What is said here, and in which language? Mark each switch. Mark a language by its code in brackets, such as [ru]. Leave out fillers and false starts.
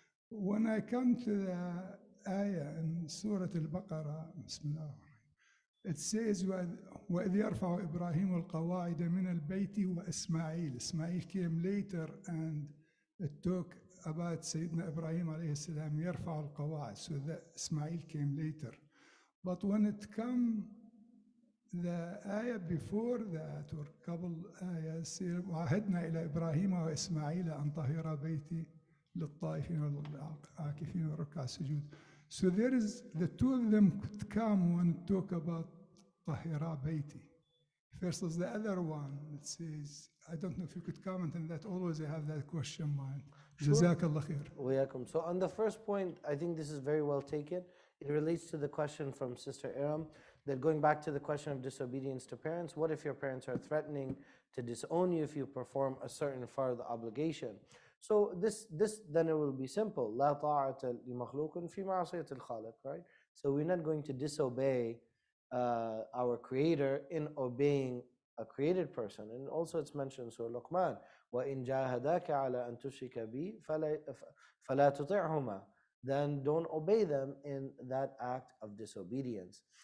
[en] When I come to the ayah in Surah Al-Baqarah, Bismillah, it says, [ar] وَإِذْ يَرْفَعُ إِبْرَاهِيمُ الْقَوَاعِدَ مِنَ الْبَيْتِ وَإِسْمَعِيلِ. [en] Ismail came later, and it took about Sayyidina Ibrahim alayhi as-salam, [ar] يَرْفَعُ الْقَوَاعِدَ. [en] So that Ismail came later. But when it come The ayah before that, or couple ayahs, [ar] وَعَهَدْنَا إِلَىٰ إِبْرَاهِيمَ وَإِسْمَعِيلَ أَنْ طَهِرَ بَيْتِي لِلطَّائِفِينَ وَالْعَاكِفِينَ وَالرُّكَّعَ السُّجُودِ. [en] So there is, the two of them could come and talk about [ar] طَهِرَ بَيْتِي. [en] Versus the other one, it says, I don't know if you could comment on that, always I have that question in mind. Jazakallah khair. Wayakum. So on the first point, I think this is very well taken. It relates to the question from Sister Aram, that going back to the question of disobedience to parents, what if your parents are threatening to disown you if you perform a certain farz obligation? So this then it will be simple. [ar] لَا طَاعَةَ لِمَخْلُوقٍ فِي مَعْصِيَةِ الْخَالِقِ, right? [en] So we're not going to disobey our creator in obeying a created person. And also it's mentioned in Surah Luqman, [ar] وَإِنْ جَاهَدَاكَ عَلَىٰ أَن تُشْرِكَ بِي فَلَا تُطِعْهُمَا, [en] then don't obey them in that act of disobedience.